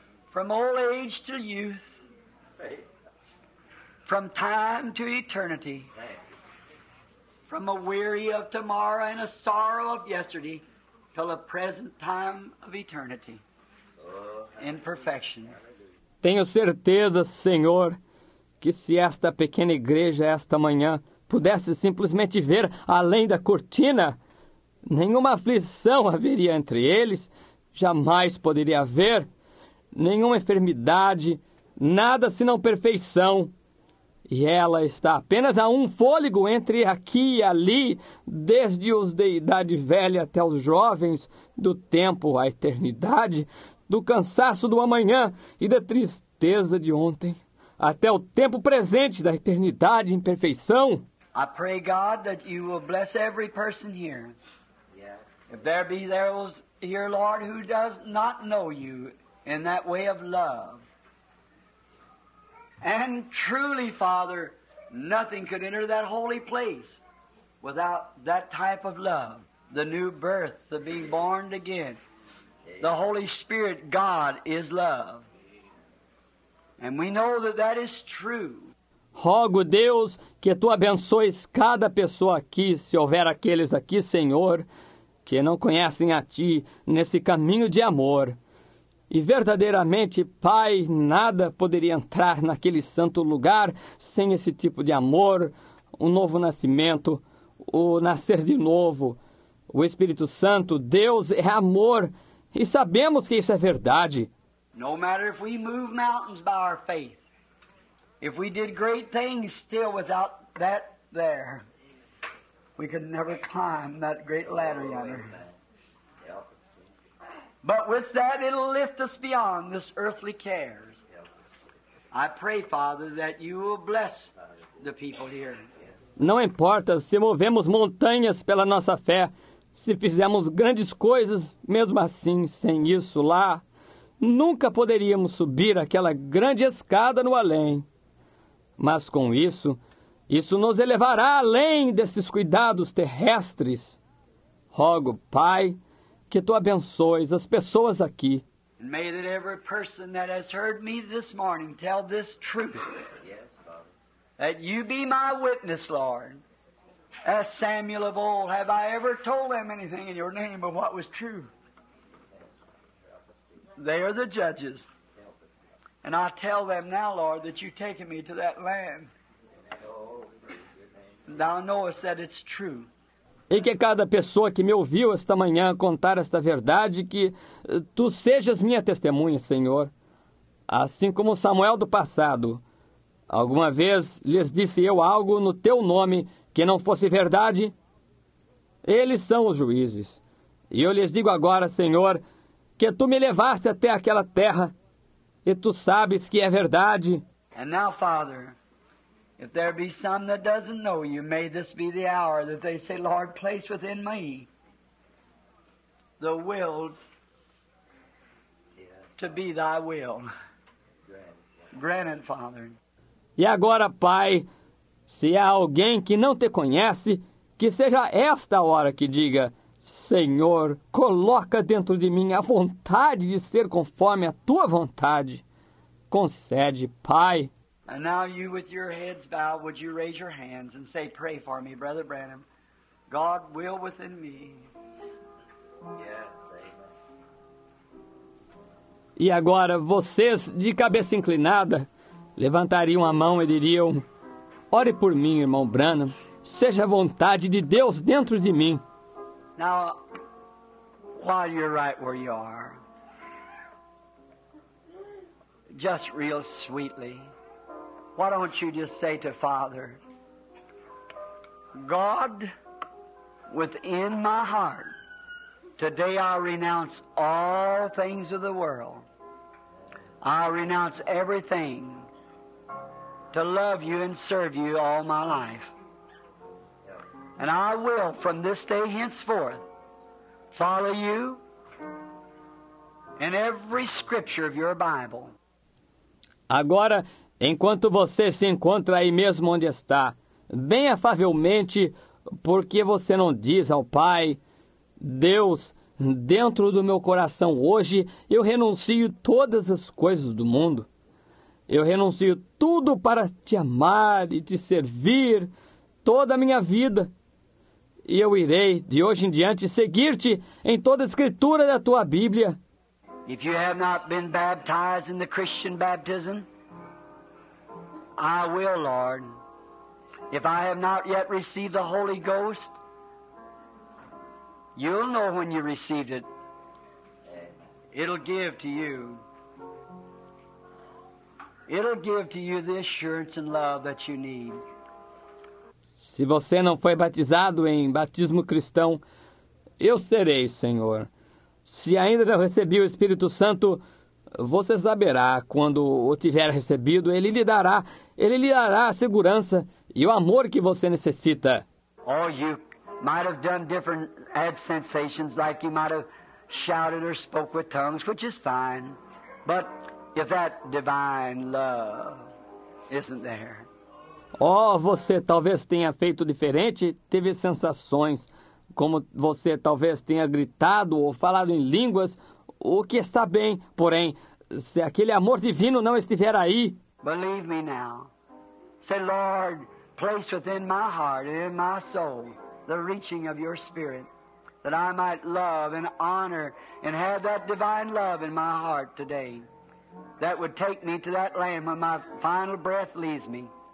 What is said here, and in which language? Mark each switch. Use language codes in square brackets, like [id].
[en] From old age to youth, from time to eternity, from a weary of tomorrow and a sorrow of yesterday, till a present time of eternity. In perfection. [pt] Tenho certeza, Senhor, que se esta pequena igreja esta manhã pudesse simplesmente ver além da cortina, nenhuma aflição haveria entre eles, jamais poderia haver nenhuma enfermidade, nada senão perfeição. E ela está apenas a um fôlego entre aqui e ali, desde os de idade velha até os jovens, do tempo à eternidade, do cansaço do amanhã e da tristeza de ontem, até o tempo presente da eternidade em perfeição. [en] I pray God that you will bless every person here. Yes. If there be those here, Lord, who does not know you in that way of love. And truly, Father, nothing could enter that holy place without that type of love, the new birth, the being born again. The Holy Spirit, God, is love. And we know that that is true. [pt] Rogo, Deus, que Tu abençoes cada pessoa aqui, se houver aqueles aqui, Senhor, que não conhecem a Ti nesse caminho de amor. E verdadeiramente, Pai, nada poderia entrar naquele santo lugar sem esse tipo de amor, um novo nascimento, o nascer de novo. O Espírito Santo, Deus, é amor. E sabemos que isso é verdade. [en] No matter if we move mountains by our faith, If we did great things still without that there, we could never climb that great ladder yonder. But with that, it'll lift us beyond this earthly cares. I pray, Father, that you will bless the people here. [pt] Não importa se movemos montanhas pela nossa fé, se fizermos grandes coisas, mesmo assim, sem isso lá, nunca poderíamos subir aquela grande escada no além. Mas com isso nos elevará além desses cuidados terrestres. Rogo, Pai, que Tu abençoes as pessoas aqui. [en] E may that every person that has heard me this morning tell this truth. That you be my witness, Lord. As Samuel of old, have I ever told them anything in your name of what was true? They are the judges. And I tell them now, Lord, that you've taken me to that land. Thou knowest that it's true. [pt] E que cada pessoa que me ouviu esta manhã contar esta verdade, que tu sejas minha testemunha, Senhor. Assim como Samuel do passado, alguma vez lhes disse eu algo no teu nome que não fosse verdade? Eles são os juízes. E eu lhes digo agora, Senhor, que tu me levaste até aquela terra e tu sabes que é verdade. [en] And now, Father, if there be some that doesn't know you, may this be the hour that they say, Lord, place within me the will to be thy will. Granted, Father. [pt] E agora, Pai, se há alguém que não te conhece, que seja esta hora que diga, Senhor, coloca dentro de mim a vontade de ser conforme a Tua vontade. Concede, Pai. [en] And now you with your heads bowed, would you raise your hands and say, pray for me, Brother Branham. God will within me. Yes, amen. [pt] E agora, vocês de cabeça inclinada, levantariam a mão e diriam, ore por mim, irmão Branham, seja a vontade de Deus dentro de mim. [en] Now, while you're right where you are, just real sweetly, why don't you just say to Father, God, within my heart, today I renounce all things of the world. I renounce everything to love you and serve you all my life. And I will, from this day henceforth, follow you in every scripture of your Bible. [pt] Agora, enquanto você se encontra aí mesmo onde está, bem afavelmente, por que você não diz ao Pai, Deus, dentro do meu coração hoje, eu renuncio todas as coisas do mundo. Eu renuncio tudo para te amar e te servir toda a minha vida. E eu irei, de hoje em diante, seguir-te em toda a escritura da tua Bíblia. [en] If you have not been baptized in the Christian baptism, I will, Lord. If I have not yet received the Holy Ghost, you'll know when you received it. It'll give to you. It'll give to you the assurance and love that you need. [pt] Se você não foi batizado em batismo cristão, eu serei, Senhor. Se ainda não recebi o Espírito Santo, você saberá. Quando o tiver recebido, ele lhe dará a segurança e o amor que você necessita. [en] Oh, you might have done different ad sensations, like you might have shouted or spoke with tongues, which is fine. But if that divine love isn't there. [pt] Oh, você talvez tenha feito diferente, teve sensações, como você talvez tenha gritado ou falado em línguas, o que está bem, porém, se aquele amor divino não estiver aí. [en] Believe me now. Say, Lord, place within my heart and in my soul the reaching of your spirit, that I might love and honor and have that divine love in my heart today that would take me to that land when my final breath leaves me.